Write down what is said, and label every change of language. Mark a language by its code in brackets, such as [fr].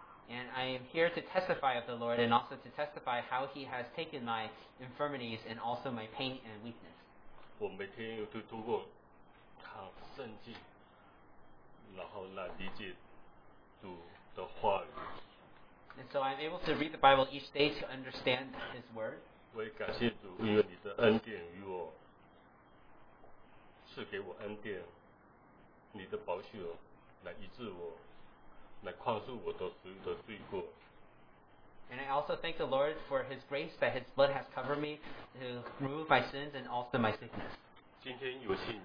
[en] And I am here to testify of the Lord and also to testify how He has taken my infirmities and also my pain and weakness. [zh] 我每天都通过看圣经，然后来理解主的话语。 [en] And so I'm able to read the Bible each day to understand His word. [zh] 我也感谢主，因为你的恩典与我，赐给我恩典，你的宝血来医治我，来宽恕我的所有的罪过。 [en] And I also thank the Lord for His grace that His blood has covered me to remove my sins and also my sickness.